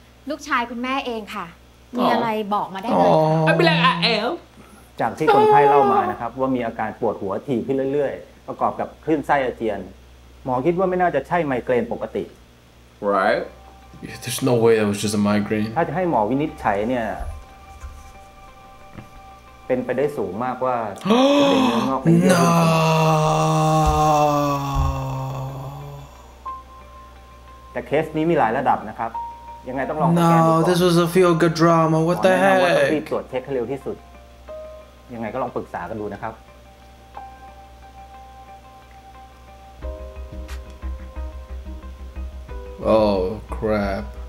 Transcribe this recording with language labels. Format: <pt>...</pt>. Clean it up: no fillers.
<th>ลูกชายคุณแม่เองค่ะมีอะไรบอกมาได้เลย ไม่เป็นไรอ่ะแอล จากที่คนไข้เล่ามานะครับว่ามีอาการปวดหัวถี่ขึ้นเรื่อยๆประกอบกับคลื่นไส้อาเจียนหมอคิดว่าไม่น่าจะใช่ไมเกรนปกติ</th> <en>Right There's no way that was just a migraine</en> <th>ถ้าจะให้หมอวินิจฉัยเนี่ยเป็นไปได้สูงมากว่าเป็นเ นื้องอกในเยื่อหุ้มแต่เคสนี้มีหลายระดับนะครับยังไงต้องลอง สแกนดูก่อน</th> <en>No this was a feel good drama what the heck</en> <th>ต้องรีบตรวจเช็คให้เร็วที่สุดยังไงก็ลองปรึกษากันดูนะครับ</th> <en>Oh crap.</en>